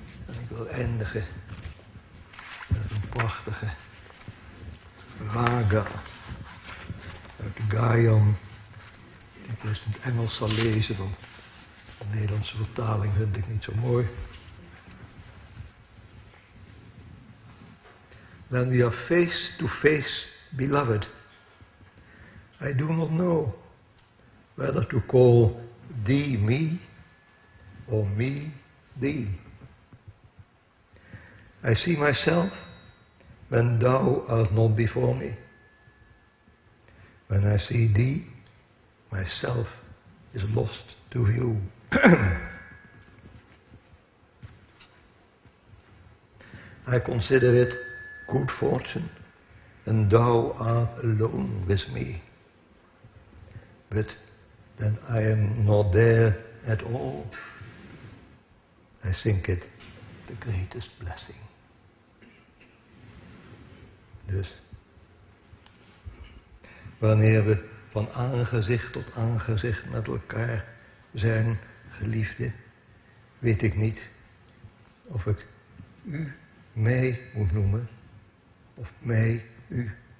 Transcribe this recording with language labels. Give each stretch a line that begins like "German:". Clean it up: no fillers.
Dutch: Ik wil eindigen met een prachtige raga uit Gayam. Die ik eerst in het Engels zal lezen, want de Nederlandse vertaling vind ik niet zo mooi.
English: When we are face to face, beloved, I do not know whether to call thee me or me thee. I see myself when thou art not before me. When I see thee, myself is lost to view. I consider it good fortune when thou art alone with me. But when I am not there at all, I think it the greatest blessing.
Dutch: Dus wanneer we van aangezicht tot aangezicht met elkaar zijn, geliefde, weet ik niet of ik u mij moet noemen of mij u.